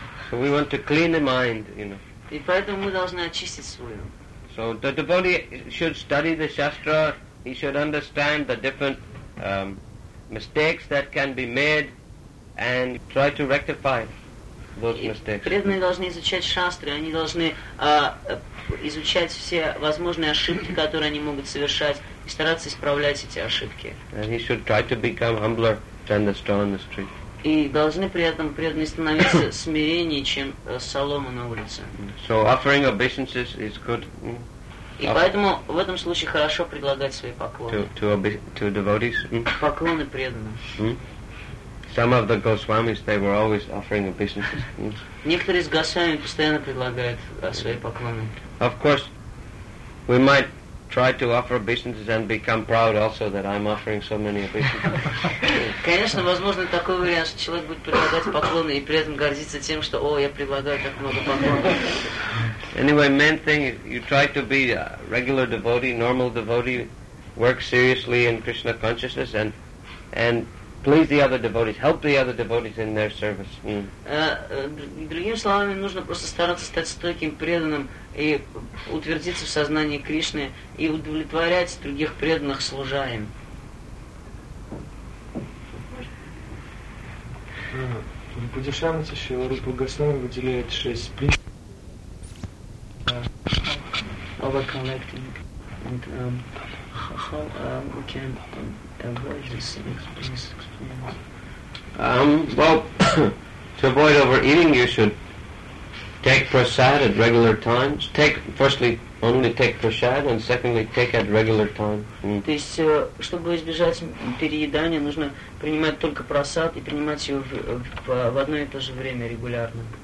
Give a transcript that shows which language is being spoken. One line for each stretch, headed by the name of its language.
English: So we want to clean the mind, you know.
Russian: И поэтому мы должны очистить свой ум.
English: So the devotee should study the shastra. He should understand the different mistakes that can be made and try to rectify those mistakes.
Russian: Преданные должны изучать шастры. Они должны изучать все возможные ошибки, которые они могут совершать, и стараться исправлять эти ошибки.
English: And he should try to become humbler than the straw in the street.
Russian: И должны при этом преданные становиться смиреннее, чем солома на улице.
English: So offering obeisances is good.
Russian: И поэтому в этом случае хорошо предлагать свои поклоны.
English: To devotees.
Russian: Поклоны преданным.
English: Some of the Goswamis, they were always offering obeisances.
Russian: Некоторые из Госвами постоянно предлагают свои поклоны.
English: Of course, we might try to offer obeisances and become proud also that I'm offering so many obeisances.
Russian: Конечно, возможно такой вариант, что человек будет предлагать поклоны и при этом гордиться тем, что, о, я предлагаю так много поклонов.
English: Anyway, main thing is you try to be a regular devotee, normal devotee, work seriously in Krishna consciousness and please the other devotees, help the other devotees in their service.
Russian: Другими словами, нужно просто стараться стать стойким преданным и утвердиться в сознании Кришны и удовлетворять других преданных, служа им. Падишанати Шрила Рупа Госвами выделяет шесть принципов.
English: Over collecting and how we can avoid this experience. To avoid overeating, you should take prasad at regular times. Firstly, only take prasad, and secondly, take at regular times.
Russian: То есть, чтобы избежать переедания, нужно принимать только прасад и принимать его в одно и то же время регулярно.